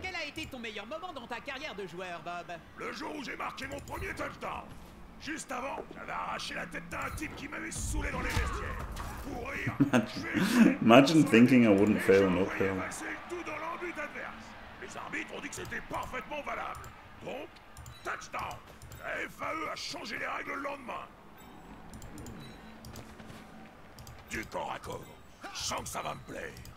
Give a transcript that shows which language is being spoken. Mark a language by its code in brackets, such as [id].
[fr] Quel a été ton meilleur moment dans ta carrière de joueur, Bob? Le jour où j'ai marqué mon premier touchdown. Juste avant, j'avais arraché la tête d'un type qui m'avait saoulé dans les vestiaires. Pour rire. [en] Imagine thinking I wouldn't fail an uphill. [fr] J'ai ramassé le tout dans l'embut adverse. Les arbitres ont dit que c'était parfaitement valable. Donc, touchdown. La FAE a changé les règles le lendemain. Du corps à corps. Je sens que ça va me plaire.